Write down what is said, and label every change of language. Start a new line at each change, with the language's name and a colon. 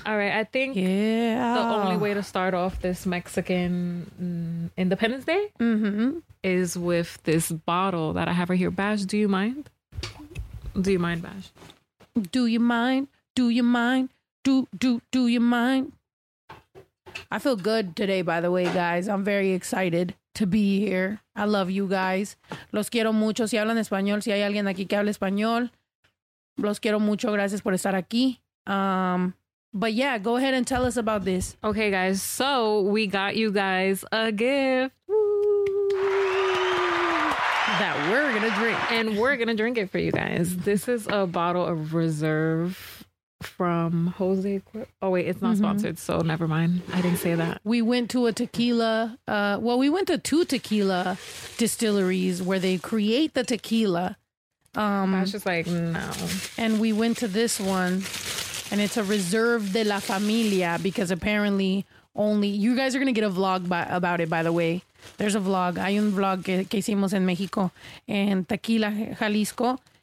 English: All right. I think the only way to start off this Mexican Independence Day is with this bottle that I have right here. Bash, do you mind? Do you mind, Bash? Do you mind? Do you mind? Do you mind? I feel good today, by the way, guys. I'm very excited to be here. I love you guys. Los quiero mucho.
Spanish: Si hablan español, si hay alguien aquí que hable español, los quiero mucho. Gracias por estar aquí.
English: But yeah, go ahead and tell us about this. Okay, guys. So we got you guys a gift. That we're gonna drink. And we're gonna drink it for you guys. This is a bottle of Reserve from Jose. Oh, wait, it's not sponsored, so never mind. I didn't say that. We went to a tequila. Well, we went to two tequila distilleries where they create the tequila. I was just like, no. And we went to this one, and it's a Reserve de la Familia, because apparently only... You guys are gonna get a vlog about it, by the way. There's a vlog.
Spanish: Hay un vlog que hicimos en México, en Tequila, Jalisco.